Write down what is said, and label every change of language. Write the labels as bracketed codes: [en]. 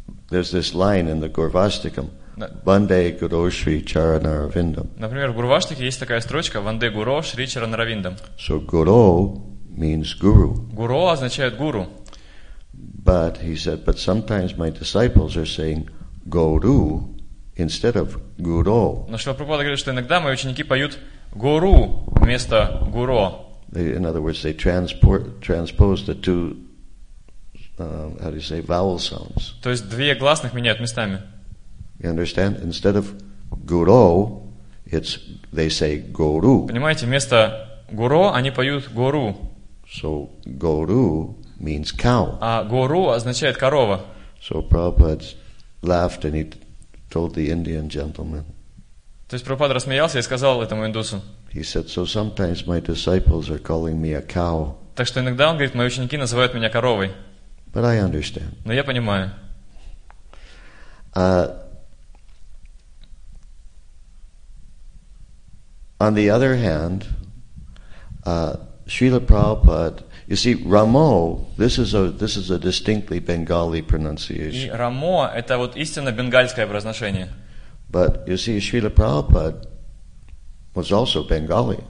[en] There's this line in the Gurvastikam. [sa] Vande Guru Shri Charanaravindam. [ru] Например, в Гурваштике есть такая строчка Ванде Гуру Шри Чаранаравиндам. [en] So Guru means guru. [ru] Guru означает гуру. [en] But he said, but sometimes my disciples are saying Guru instead of guru. [ru] Но Шрила Прабхупада говорит, что иногда мои ученики поют гуру вместо гуро. [en] In other words, they transpose the two how do you say vowel sounds. [ru] То есть две гласных меняют местами. [en] You understand? Instead of guru, it's they say guru. [ru] Понимаете, вместо гуро они поют гуру. [en] So guru means cow. [ru] А гуру означает корова. [en] So Prabhupada laughed and he told the Indian gentleman. [ru] То есть Прабхупада рассмеялся и сказал этому индусу. [en] He said, so sometimes my disciples are calling me a cow. [ru] Так что иногда он говорит, мои ученики называют меня коровой. [en] But I understand. [ru] Но я понимаю. [en] On the other hand, Srila Prabhupada, you see, Ramo, this is a distinctly Bengali pronunciation. [ru] И Рамо — это вот истинно бенгальское произношение. [en] But you see, Srila Prabhupada was also Bengali.